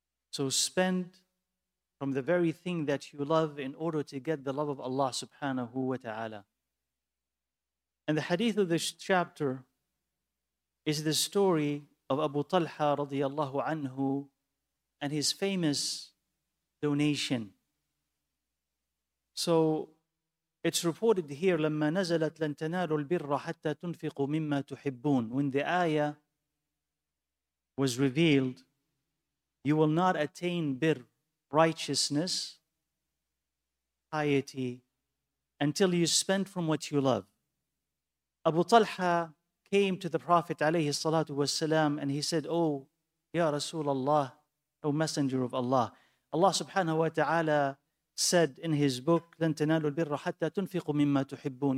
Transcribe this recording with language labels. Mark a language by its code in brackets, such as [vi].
[en] So spend from the very thing that you love in order to get the love of Allah subhanahu wa ta'ala. And the hadith of this chapter is the story of Abu Talha radiallahu anhu and his famous donation. So it's reported here, [ar] لما نزلت لن تنالوا البر حتى تنفقوا مما تحبون. [en] When the ayah was revealed, you will not attain birr, righteousness, piety, until you spend from what you love. Abu Talha came to the Prophet alayhi salatu wasalam and he said, oh, ya Rasulullah, oh messenger of Allah, Allah subhanahu wa ta'ala said in his book, [ar] لَن تَنَالُوا الْبِرَّ حَتَّى تُنْفِقُوا مِمَّا تُحِبُّونَ.